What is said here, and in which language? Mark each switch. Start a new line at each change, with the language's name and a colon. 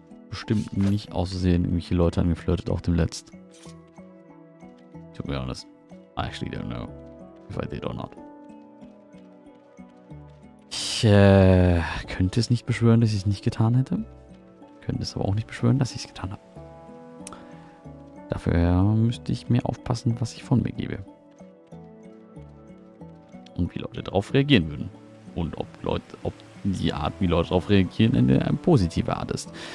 German: Bestimmt nicht auszusehen, irgendwelche Leute angeflirtet auf dem Letzt.
English: To be honest, I actually don't know if I did or not.
German: Ich könnte es nicht beschwören, dass ich es nicht getan hätte. Könnte es aber auch nicht beschwören, dass ich es getan habe. Dafür müsste ich mehr aufpassen, was ich von mir gebe. Und wie Leute darauf reagieren würden. Und ob die Art, wie Leute darauf reagieren, eine positive Art ist.